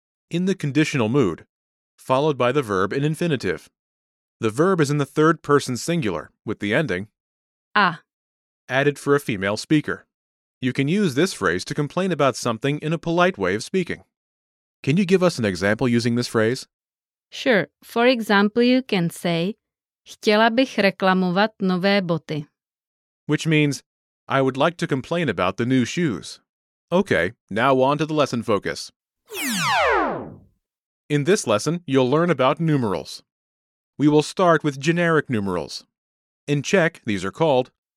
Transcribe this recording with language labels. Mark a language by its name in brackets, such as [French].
[English] In the conditional mood, followed by the verb in infinitive. The verb is in the third person singular, with the ending [Czech] a, [English] added for a female speaker. You can use this phrase to complain about something in a polite way of speaking. Can you give us an example using this phrase? Sure. For example, you can say, [Czech] chtěla bych reklamovat nové boty. [English] Which means, I would like to complain about the new shoes. Okay, now on to the lesson focus. In this lesson, you'll learn about numerals. We will start with generic numerals. In Czech, these are called